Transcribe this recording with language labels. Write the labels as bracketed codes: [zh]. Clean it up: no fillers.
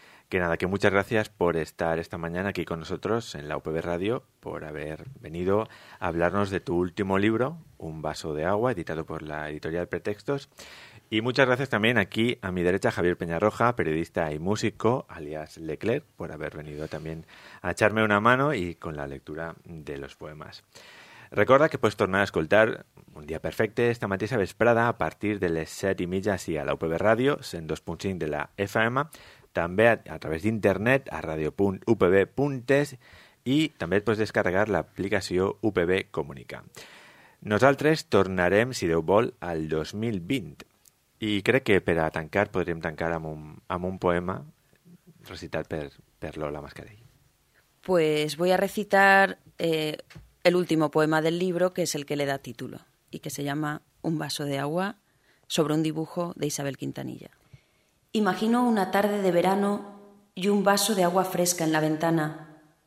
[es] Que nada, que muchas gracias por estar esta mañana aquí con nosotros en la UPB Radio, por haber venido a hablarnos de tu último libro, Un vaso de agua, editado por la editorial Pretextos. Y muchas gracias también aquí a mi derecha, Javier Peñarroja, periodista y músico, alias Leclerc, por haber venido también a echarme una mano y con la lectura de los poemas. [ca] Recuerda que puedes tornar a escoltar Un día perfecte esta matiza vesprada a partir de les 7:30 a la UPB Radio, en 2.5 de la FM, també a través d'internet a radio.upb.es i també et pots descarregar l'aplicació UPB Comunica. Nosaltres tornarem, si Déu vol, al 2020 i crec que per a tancar podríem tancar amb un poema recitat per, carácter, Lola Mascarell? [es] Pues voy a recitar el último poema del libro, que es el que le da título y que se llama Un vaso de agua, sobre un dibujo de Isabel Quintanilla. Imagino una tarde de verano y un vaso de agua fresca en la ventana.